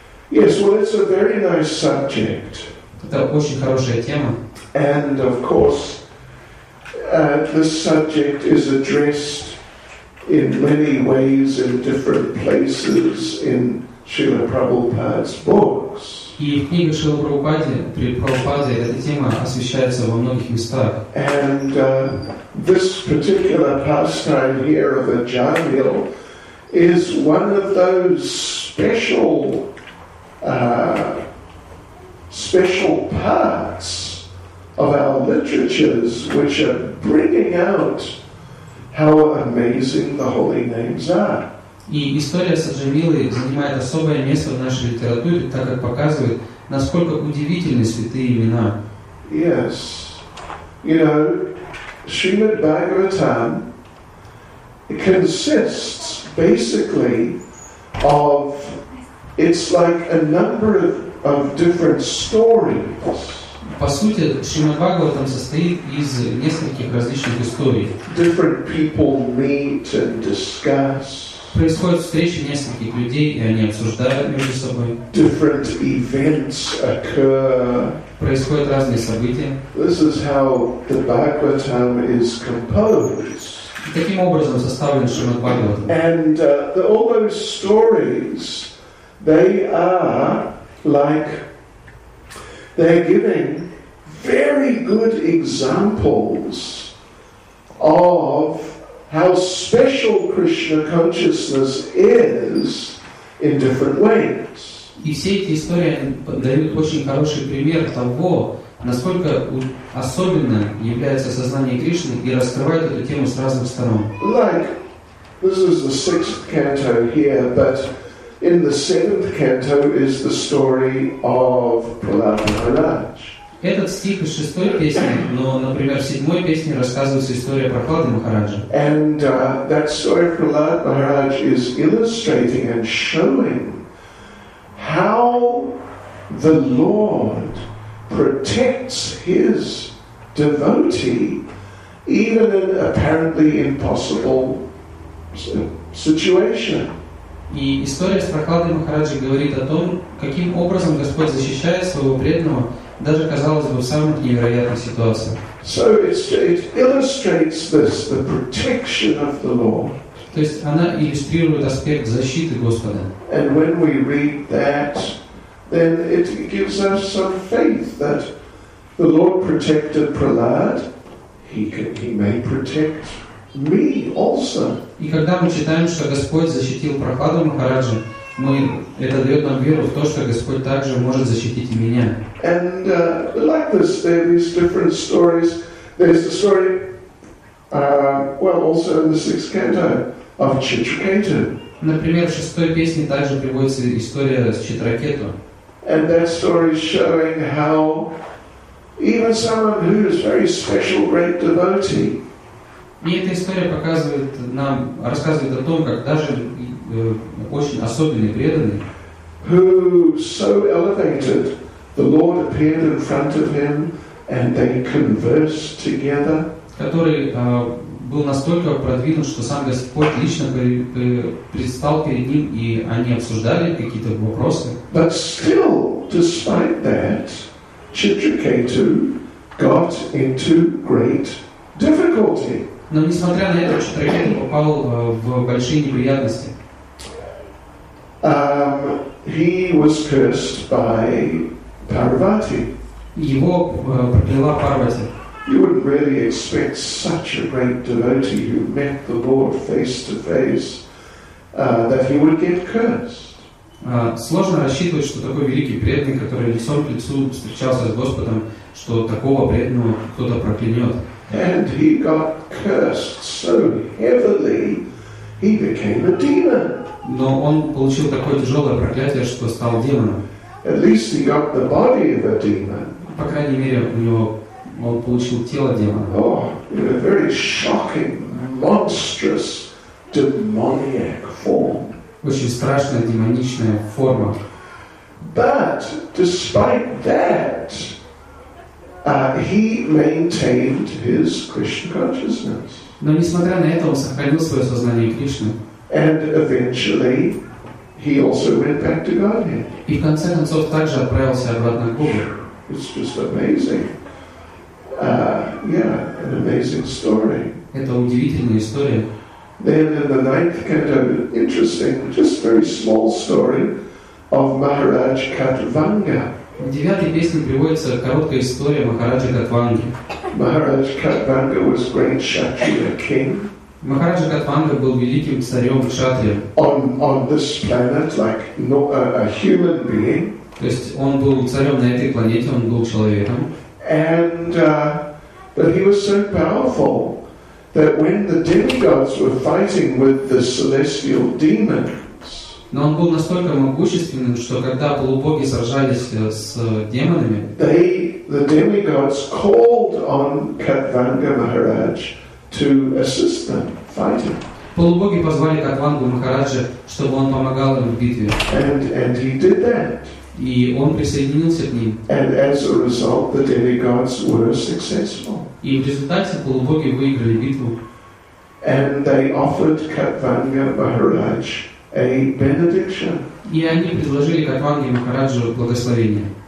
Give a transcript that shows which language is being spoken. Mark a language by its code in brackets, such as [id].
[en] Yes, well, it's a very nice subject. [ru] Это очень хорошая тема. [en] And, of course, this subject is addressed in many ways in different places in Srila Prabhupada's books. [ru] И в книгах Шрилы Прабхупады, при Прабхупаде, эта тема освещается во многих местах. [en] And this particular pastime here of Ajamil is one of those special parts of our literatures which are bringing out how amazing the holy names are. [ru] И история с Аджамилой занимает особое место в нашей литературе, так как показывает, насколько удивительны святые имена. [en] Yes. You know, Srimad Bhagavatam consists basically of, it's like a number of different stories. [ru] По сути, Шримад Бхагаватам состоит из нескольких различных историй. [en] Different people meet and discuss. [ru] Происходят встречи нескольких людей, и они обсуждают между собой. [en] Different events occur. [ru] Происходят разные события. [en] This is how the Bhagavatam is composed. [ru] И таким образом составлен Шримад Бхагаватам. [en] And all those stories, they are like, they're giving very good examples of how special Krishna consciousness is in different ways. [ru] И все эти истории дают очень хороший пример того, насколько особенно является сознание Кришны и раскрывает эту тему с разных сторон. [en] Like, this is the sixth canto here, but in the seventh canto is the story of Prahlada Maharaj. [ru] Этот стих из шестой песни, но, например, в седьмой песне рассказывается история Прахлады Махараджа. [en] And that story of Prahlad Maharaj is illustrating and showing how the Lord protects his devotee even in apparently impossible situation. [ru] И история с Прохладой Махараджи говорит о том, каким образом Господь защищает своего преданного, даже казалось бы, в самых невероятных ситуациях. So то есть она иллюстрирует аспект защиты Господа. [en] And when we read that, then it gives us some faith that the Lord protected Prahlad, he may protect me also. [ru] И когда мы читаем, что Господь защитил Прохладу Махараджи, это дает нам веру в то, что Господь также может защитить меня. [en] And like this, there are these different stories. There's the story, also in the sixth canto of Chitraketu. [ru] Например, в шестой песне также приводится история с Читракету. [en] And that story is showing how even someone who is very special, great devotee. [ru] И эта история показывает нам, рассказывает о том, как даже очень особенный преданный, [en] who so elevated, the Lord appeared in front of him and they conversed together. [ru] Который был настолько продвинут, что сам Господь лично предстал перед ним, и они обсуждали какие-то вопросы. [en] But still, despite that, Chitraketu got into great difficulty. [ru] Но несмотря на это, Читракету попал в большие неприятности. [en] He was cursed by Parvati. [ru] Его прокляла Парвати. [en] You wouldn't really expect such a great devotee who met the Lord face to face that he would get cursed. [ru] Сложно рассчитывать, что такой великий преданный, который лицом к лицу встречался с Господом, что такого преданного кто-то проклянет. [en] And he got cursed so heavily, he became a demon. [ru] Но он получил такое тяжелое проклятие, что стал демоном. [en] At least he got the body of a demon. [ru] По крайней мере, он получил тело демона. [en] Oh, in a very shocking, monstrous, demoniac form. [ru] Очень страшная демоничная форма. [en] But despite that, he maintained his Krishna consciousness. [ru] Но несмотря на это, он сохранил свое сознание Кришны. [en] And eventually, he also went back to Godhead. [ru] И в конце концов также отправился обратно к Богу. [en] It's just amazing. Yeah, an amazing story. [ru] Это удивительная история. [en] Then in the ninth canto, interesting, just very small story of Maharaj Katvanga. [ru] В девятой песне приводится короткая история Махараджи Катванги. [en] Maharaj Katvanga was great Kshatriya king. [ru] Махараджа Катванга был великим царем кшатрия. [en] On this planet, like a human being. [ru] То есть он был царем на этой планете, он был человеком. [en] And but he was so powerful that when the demigods were fighting with the celestial demons. [ru] Но он был настолько могущественным, что когда полубоги сражались с демонами, [en] the demigods called on Katvanga Maharaj to assist them fighting. [ru] Полубоги позвали Катвангу Махараджа, чтобы он помогал им в битве. [en] And he did that. [ru] И он присоединился к ним. [en] And as a result, the demigods were successful. [ru] И в результате полубоги выиграли битву. [en] And they offered Katvanga Maharaj a benediction. [ru] И они предложили Катванге Махараджу благословение.